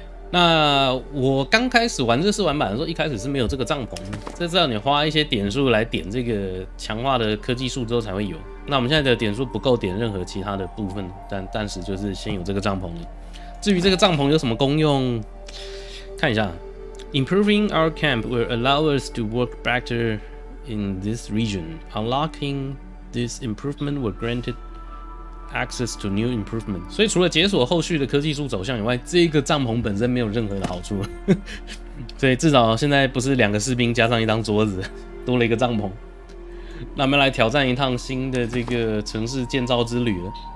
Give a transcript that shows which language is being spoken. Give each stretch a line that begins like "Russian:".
Chinese: 那我刚开始玩这试玩版的时候，一开始是没有这个帐篷，这是要你花一些点数来点这个强化的科技树之后才会有。那我们现在的点数不够点任何其他的部分，但暂时就是先有这个帐篷。至于这个帐篷有什么功用，看一下。
English: Improving our camp will allow us to work better. In this region, unlocking this improvement will grant access to new improvement.
Chinese: 所以除了解锁后续的科技树走向以外，这个帐篷本身没有任何的好处。所以至少现在不是两个士兵加上一张桌子，多了一个帐篷。那我们来挑战一趟新的这个城市建造之旅了。